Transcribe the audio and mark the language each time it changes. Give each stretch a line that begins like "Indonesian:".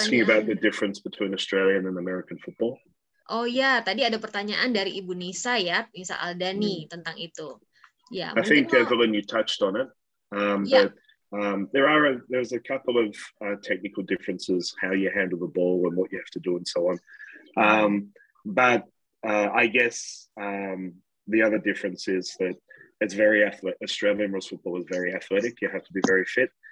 English: Asking about the difference between Australian and American football.
Indonesian: Oh ya, yeah. Tadi ada pertanyaan dari Ibu Nisa ya, Nisa Aldani tentang itu.
English: Yeah, I think Evelyn, you touched on it. There's a couple of technical differences, how you handle the ball and what you have to do and so on. The other difference is that it's very athletic. Australian rules football is very athletic. You have to be very fit.